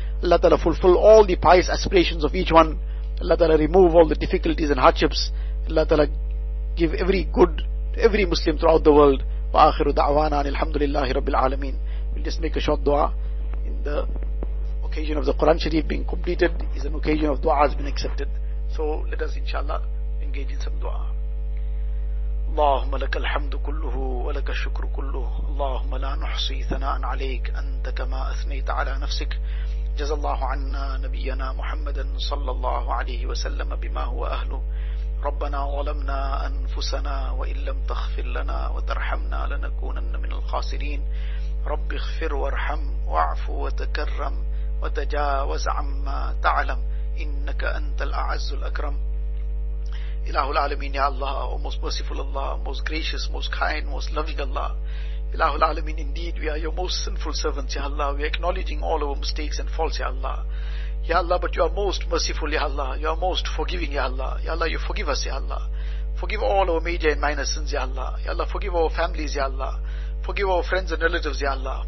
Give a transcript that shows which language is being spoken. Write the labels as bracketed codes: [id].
[en] Allah ta'ala fulfill all the pious aspirations of each one. Allah ta'ala remove all the difficulties and hardships. Allah ta'ala give every good to every Muslim throughout the world. [ar] Wa akhiru da'wana and alhamdulillahi rabbil alameen. [en] We'll just make a short dua in the occasion of the Quran Sharif being completed. Is an occasion of dua has been accepted. So let us inshallah engage in some dua. [ar] اللهم لك الحمد كله ولك الشكر كله اللهم لا نحصي ثناء عليك أنت كما أثنيت على نفسك جزى الله عنا نبينا محمدا صلى الله عليه وسلم بما هو أهله ربنا ظلمنا أنفسنا وإن لم تغفر لنا وترحمنا لنكونن من الخاسرين رب اغفر وارحم واعف وتكرم وتجاوز عما تعلم إنك أنت الأعز الأكرم Ilahul Alameen, Ya Allah, [en] O most merciful Allah, most gracious, most kind, most loving Allah. Ilahul Alameen, indeed, we are your most sinful servants, Ya Allah. We are acknowledging all our mistakes and faults, Ya Allah. Ya Allah, but you are most merciful, Ya Allah. You are most forgiving, Ya Allah. Ya Allah, you forgive us, Ya Allah. Forgive all our major and minor sins, Ya Allah. Ya Allah, forgive our families, Ya Allah. Forgive our friends and relatives, Ya Allah.